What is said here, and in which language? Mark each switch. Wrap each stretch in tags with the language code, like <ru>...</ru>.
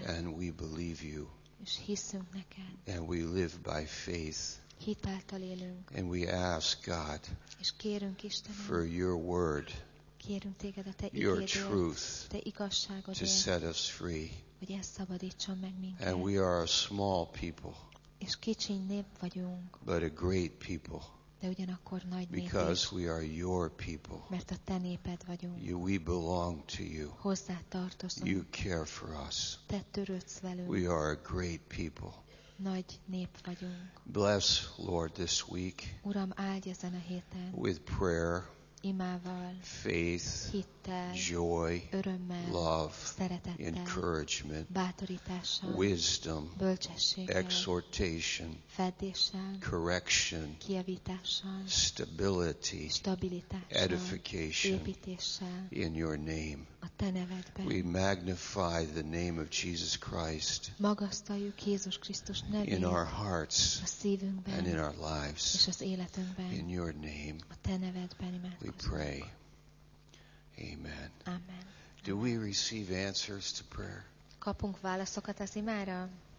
<en>and we believe you,</en> <hu>és hiszünk neked,</hu> <en>and we live by faith,</en> <hu>hitáltal élünk,</hu> <en>and we ask God,</en> <hu>és kérünk Istenem,</hu> <en>for your word,</en> <hu>kérünk téged a te igédért,</hu> <en>your truth,</en> <hu>te igazságodért,</hu> <en>to set us free.</en> <hu>Hogy ezt szabadítson meg minket.</hu> <en>And we are a small people.</en> <hu>És kicsi nép vagyunk.</hu> <en>But a great people.</en> <hu>De ugyanakkor nagy nép.</hu> <en>Because we are your people.</en> <hu>Mert a te néped vagyunk.</hu> <en>We belong to you.</en> <hu>Hozzá tartozunk.</hu> <en>You care for us.</en> <hu>Te törődsz velünk.</hu> <en>We are a great people.</en> <hu>Nagy nép vagyunk.</hu> <en>Bless, Lord, this week.</en> <hu>Uram, áldj ezen a héten.</hu> <en>With prayer.</en> <hu>Imával,</hu> <en>faith,</en> <hu>hittel,</hu> <en>joy,</en> <hu>örömmel,</hu> <en>love,</en> <hu>szeretettel,</hu> <en>encouragement,</en> <hu>bátorítással,</hu> <en>wisdom,</en> <hu>bölcsességgel,</hu> <en>exhortation,</en> <hu>feddéssel,</hu> <en>correction,</en> <hu>kijavítással,</hu> <en>stability,</en> <hu>stabilitással,</hu> <en>edification,</en> <hu>építéssel,</hu> <en>in your name.</en> <hu>A te nevedben.</hu> <en>We magnify the name of Jesus Christ.</en> <hu>Magasztaljuk Jézus Krisztus nevét.</hu> <en>In our hearts.</en> <hu>A szívünkben.</hu> <en>And in our lives.</en> <hu>És az életünkben.</hu> <en>In your name.</en> <hu>A te nevedben.</hu> <en>We pray. Amen.</en> <hu>Amen.</hu> <en>Do we receive answers to prayer?</en> <hu>Kapunk válaszokat az imára?</hu>